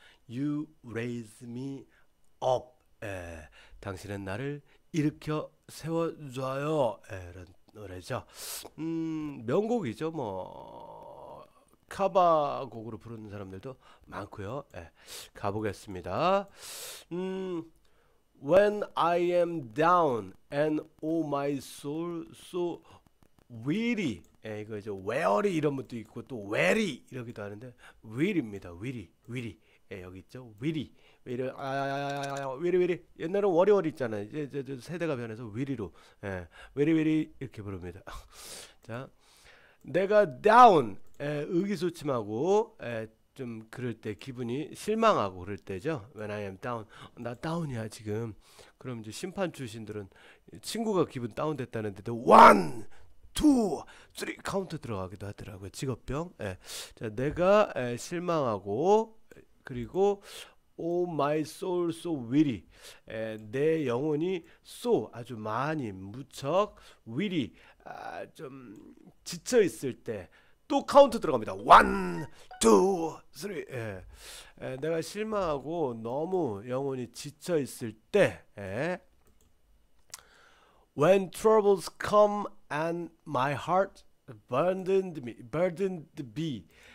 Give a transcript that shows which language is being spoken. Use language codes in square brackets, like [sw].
[en] You raise me up. [ko] 당신은 나를 일으켜 세워줘요. 이런 노래죠. 명곡이죠. 뭐 카바 곡으로 부르는 사람들도 많고요. 가보겠습니다. [en] When I am down and oh my soul so weary. [ko] 이거 이제 weary 이런 것도 있고 또 weary 이러기도 하는데 weary입니다. weary, weary. 여기 있죠. [en] weary, weary, 아야야야야야, weary, weary. [ko] 옛날은 worry, worry 있잖아요. 이제 세대가 변해서 weary로, weary, weary 이렇게 부릅니다. 자, 내가 down, 의기소침하고 좀 그럴 때 기분이 실망하고 그럴 때죠. [en] When I am down, [ko] 나 down이야 지금. 그럼 이제 심판 출신들은 친구가 기분 다운됐다는데도 one. 2, 3 카운트 들어가기도 하더라고요. 직업병. 자, 내가 실망하고 그리고 [en] Oh my soul so weary. [ko] 내 영혼이 so 아주 많이 무척 weary 아, 좀 지쳐 있을 때또 카운트 들어갑니다. 1, 2, 3. 내가 실망하고 너무 영혼이 지쳐 있을 때 [en] When troubles come and my heart burdened me.